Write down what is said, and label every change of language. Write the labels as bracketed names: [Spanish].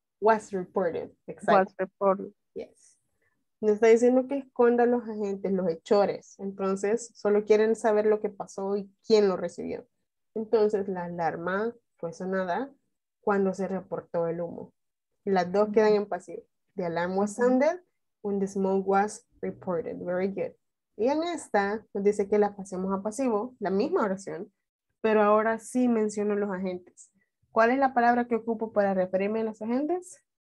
[English] Was reported. Exactly. Was reported. Yes. [Spanish] Nos está diciendo que esconda a los agentes, los hechores. Entonces, solo quieren saber lo que pasó y quién lo recibió. Entonces, la alarma fue sonada cuando se reportó el humo. Las dos quedan en pasivo. [English] The alarm was sounded when the smoke was reported. Very good. [Spanish] Y en esta, nos dice que la pasemos a pasivo, la misma oración, pero ahora sí menciono los agentes. ¿Cuál es la palabra que ocupo para referirme a los agentes?